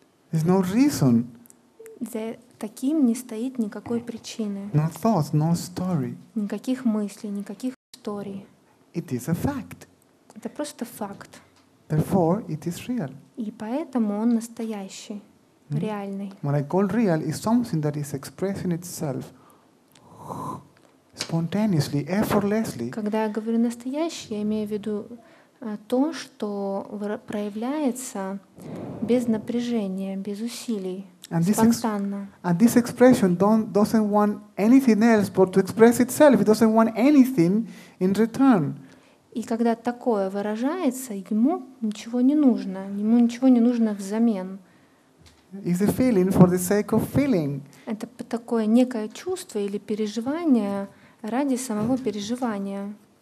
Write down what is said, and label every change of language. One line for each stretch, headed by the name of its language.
English: There's no reason.
Russian: За таким не стоит никакой причины.
English: No thoughts, no story.
Russian: Никаких мыслей, никаких историй.
English: It is a fact.
Russian: Это просто факт.
English: Therefore, it is real.
Russian: И поэтому он настоящий, реальный.
English: What I call real is something that is expressing itself spontaneously, effortlessly.
Russian: Когда я говорю настоящий, я имею в виду то, что проявляется без напряжения, без усилий,
English: and
Russian: спонтанно.
English: And this expression doesn't want anything else but to express itself. It doesn't want anything in return.
Russian: И когда такое выражается, ему ничего не нужно. Ему ничего не нужно взамен.
English: It's a feeling for the sake of feeling.
Russian: Это такое некое чувство или переживание ради самого переживания.